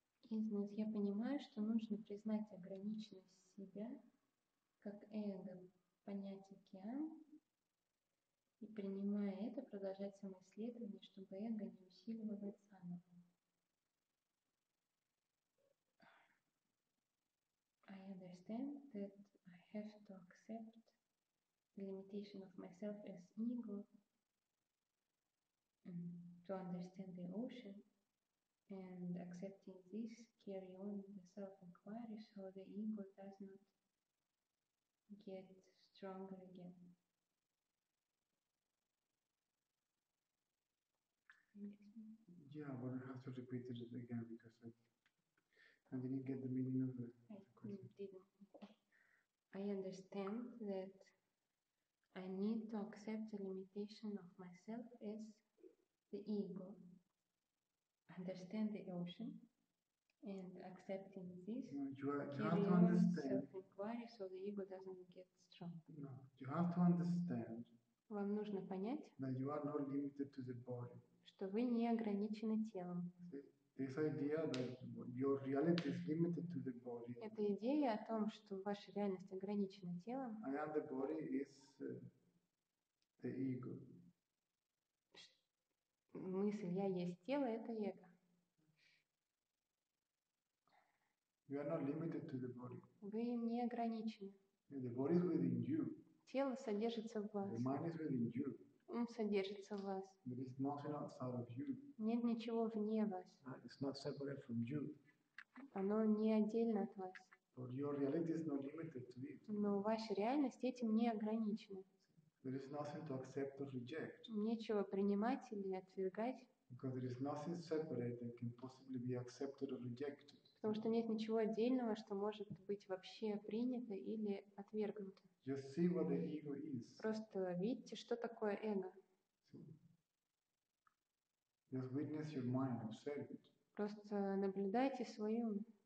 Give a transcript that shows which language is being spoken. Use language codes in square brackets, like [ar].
[ru] Я понимаю, что нужно признать ограниченность себя как эго, понять океан, и принимая это, продолжать самоисследование, чтобы эго не усиливалось заново. [en] I understand that I have to accept the limitation of myself as ego to understand the ocean. And accepting this, carry on the self-inquiry so the ego does not get stronger again. Yeah, but we have to repeat it again because I didn't get the meaning of the question. I understand that I need to accept the limitation of myself as the ego. Understand the ocean and accepting this. No, you have to understand. Self-inquiry, so the ego doesn't get strong. No, you have to understand. [ru] Вам нужно понять, [en] that you are not limited to the body. [ru] Что вы не ограничены телом. [en] This idea that your reality is limited to the body. [ru] Эта идея о том, что ваша реальность ограничена телом. [en] I am the body is the ego. [ru] Мысль «я есть тело» — это эго. [en] You are not limited to the body. [ru] Вы не ограничены. [en] The body is within you. [ru] Тело содержится в вас. [en] The mind is within you. [ru] Ум содержится в вас. [en] There is nothing outside of you. [ru] Нет ничего вне вас. [en] It's not separate from you. [ru] Оно не отдельно от вас. [en] But your reality is not limited to it. [ru] Но ваша реальность этим не ограничена. [en] There is nothing to accept or reject. [ru] Нечего принимать или отвергать. [en] Because there is nothing separate that can possibly be accepted or rejected. [ru] Потому что нет ничего отдельного, что может быть вообще принято или отвергнуто. [en] Just see what the ego is. [ru] Просто видите, что такое эго. [en] Just witness your mind, observe it. [ru] Просто наблюдайте свою.